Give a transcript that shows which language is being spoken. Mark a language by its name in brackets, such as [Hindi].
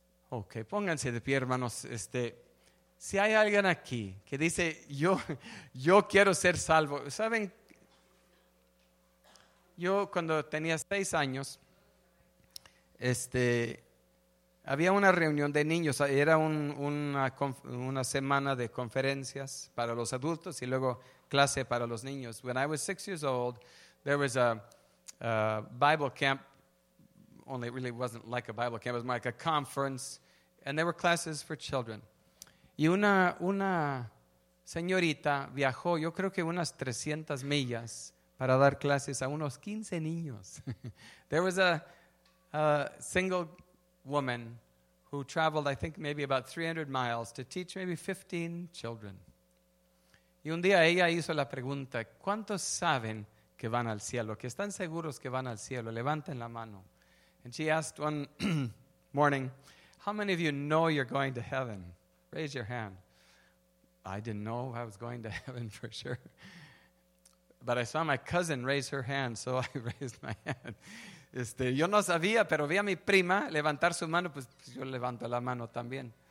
[Spanish] Ok, pónganse de pie, hermanos. Si hay alguien aquí que dice, yo quiero ser salvo. ¿Saben? Yo cuando tenía 6 años, había una reunión de niños, era una semana de conferencias para los adultos y luego clase para los niños. [English] When I was 6 years old, there was a Bible camp, only it really wasn't like a Bible camp, it was more like a conference, and there were classes for children. [Spanish] Y una señorita viajó, yo creo que unas 300 millas, para dar clases a unos 15 niños. [English] There was a single woman who traveled, I think, maybe about 300 miles to teach maybe 15 children. [Spanish] Y un día ella hizo la pregunta, ¿cuántos saben que van al cielo? ¿Que están seguros que van al cielo? Levanten la mano. [English] And she asked one morning, how many of you know you're going to heaven? Raise your hand. I didn't know I was going to heaven for sure. But I saw my cousin raise her hand, so I raised my hand. [Spanish] Yo no sabía, pero vi a mi prima levantar su mano, pues yo levanto la mano también.